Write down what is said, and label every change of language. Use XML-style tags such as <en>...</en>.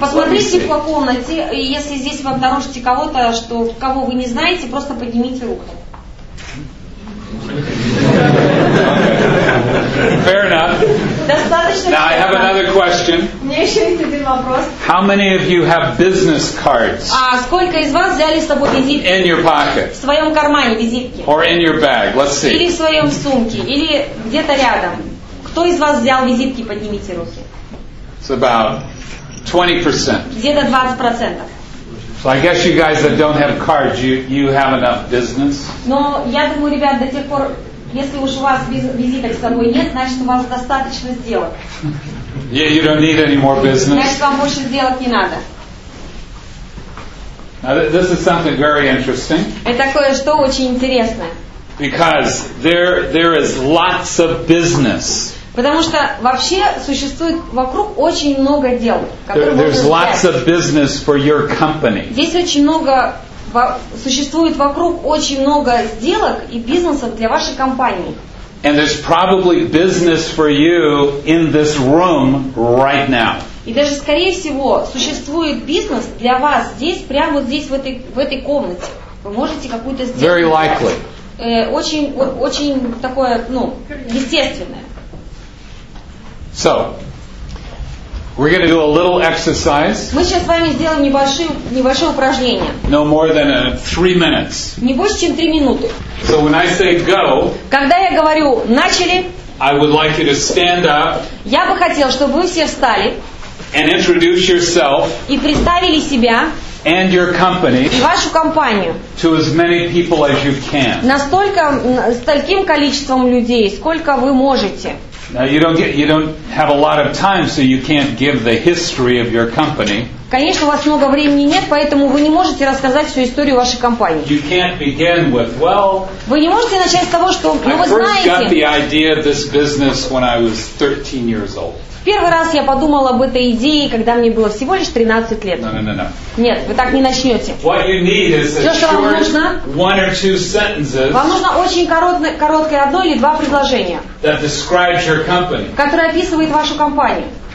<ru>Посмотрите по комнате, и если здесь вы обнаружите кого-то, что кого вы не знаете, просто поднимите руку.</ru> <en>Fair enough.</en> <ru>Достаточно.</ru> <en>Now I have another question.</en> <ru>Мне еще есть один вопрос.</ru> <en>How many of you have business cards?</en> <ru>А сколько из вас взяли с собой визитки?</ru> <en>In your pocket.</en> <ru>В своем кармане визитки.</ru> <en>Or in your bag. Let's see.</en> <ru>Или в своем сумке, или где-то рядом. Кто из вас взял визитки? Поднимите руки.</ru> <en>It's about 20%.</en> <ru>Где-то 20%.</ru> <en>So I guess you guys that don't have cards, you have enough business.</en> <ru>Но я думаю, ребят, до тех пор, если уж у вас визиток с собой нет, значит у вас достаточно сделок.</ru> <en>Yeah, you don't need any more business.</en> <ru>Значит, вам больше сделок не надо.</ru> <en>Now, this is something very interesting.</en> <ru>Это кое-что очень интересное.</ru> <en>Because there is lots of business.</en> <ru>Потому что вообще существует вокруг очень много дел, которые можно сделать. Здесь очень много, существует вокруг очень много сделок и бизнесов для вашей компании.</ru> <en>And there's probably business for you in this room right now.</en> <ru>И даже, скорее всего, существует бизнес для вас здесь, прямо вот здесь, в этой комнате. Вы можете какую-то сделать.</ru> <en>Very likely.</en> <ru>Очень такое, ну, естественное.</ru> <en>So, we're going to do a little exercise.</en> <ru>Мы сейчас с вами сделаем небольшое упражнение.</ru> <en>No more than 3 minutes.</en> <ru>Не больше чем 3 минуты.</ru> <en>So when I say go,</en> <ru>когда я говорю начали,</ru> <en>I would like you to stand up.</en> <ru>Я бы хотел, чтобы вы все встали.</ru> <en>And introduce yourself.</en> <ru>И представили себя.</ru> <en>And your company.</en> <ru>И вашу компанию.</ru> <en>To as many people as you can.</en> <ru>Настолько с таким количеством людей, сколько вы можете.</ru> <en>Now you don't have a lot of time, so you can't give the history of your company.</en> <ru>Конечно, у вас много времени нет, поэтому вы не можете рассказать всю историю вашей компании.</ru> <en>You can't begin with well.</en> <ru>Вы не можете начать с того, что вы знаете.</ru> <en>I first got the idea of this business when I was 13 years old.</en> <ru>Первый раз я подумал об этой идее, когда мне было всего лишь 13 лет.</ru> <en>No.</en> <ru>Нет, вы так не начнете. Все, что вам нужно,</ru> <en>one or two sentences,</en> <ru>вам нужно очень короткое одно или два предложения,</ru> <en>that describes your company.</en> <ru>Которое описывает вашу компанию.</ru>